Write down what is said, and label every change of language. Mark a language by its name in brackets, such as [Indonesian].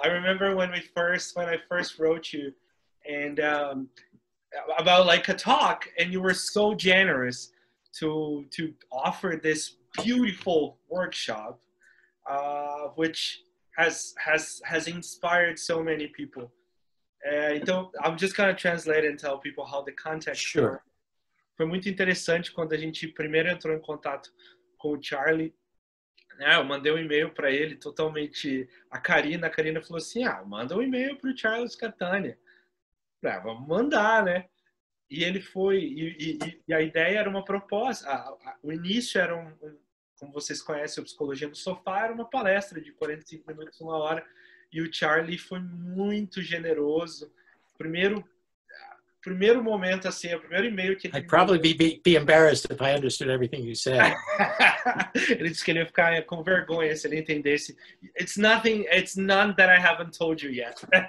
[English] I remember when I first wrote you and about like a talk, and you were so generous to offer this beautiful workshop, which has inspired so many people. Então, I'm just going to translate and tell people how the context Sure. [Portuguese] Foi muito interessante quando a gente primeiro entrou em contato com o Charlie. Né? Eu mandei um e-mail para ele totalmente... A Karina falou assim, ah, manda um e-mail para o Charles Catania. Ah, vamos mandar, né? E ele foi... E a ideia era uma proposta. O início era como vocês conhecem a psicologia no sofá, era uma palestra de 45 minutos, uma hora. E o Charlie foi muito generoso. Primeiro momento, assim, o primeiro e-mail que ele... [English] I'd probably be embarrassed if I understood everything you said. [Portuguese] Ele disse que ele ia ficar com vergonha se ele entendesse. [English] It's nothing, it's none that I haven't told you yet.